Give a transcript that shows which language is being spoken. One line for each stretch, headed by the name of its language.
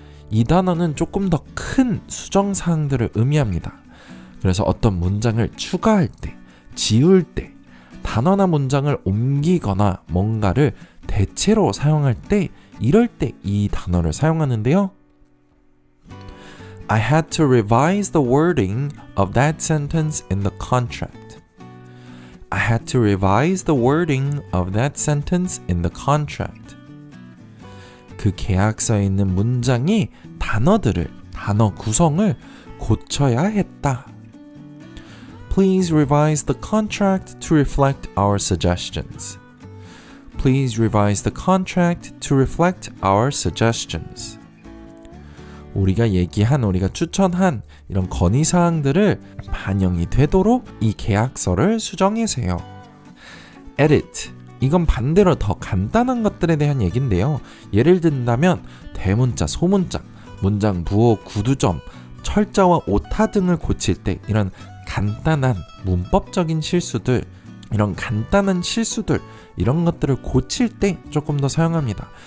Korean: 이 단어는 조금 더 큰 수정 사항들을 의미합니다. 그래서 어떤 문장을 추가할 때 지울 때, 단어나 문장을 옮기거나 뭔가를 대체로 사용할 때, 이럴 때 이 단어를 사용하는데요.
English: I had to revise the wording of that sentence in the contract. I had to revise the wording of that sentence in the contract.
Korean: 그 계약서에 있는 문장이 단어들을, 단어 구성을 고쳐야 했다.
English: Please revise the contract to reflect our suggestions. Please revise the contract to reflect our suggestions.
Korean: 우리가 얘기한, 우리가 추천한 이런 건의 사항들을 반영이 되도록 이 계약서를 수정하세요.
English: Edit.
Korean: 이건 반대로 더 간단한 것들에 대한 얘긴데요. 예를 든다면 대문자, 소문자, 문장, 부호, 구두점, 철자와 오타 등을 고칠 때 이런 간단한 문법적인 실수들, 이런 간단한 실수들, 이런 것들을 고칠 때 조금 더 사용합니다.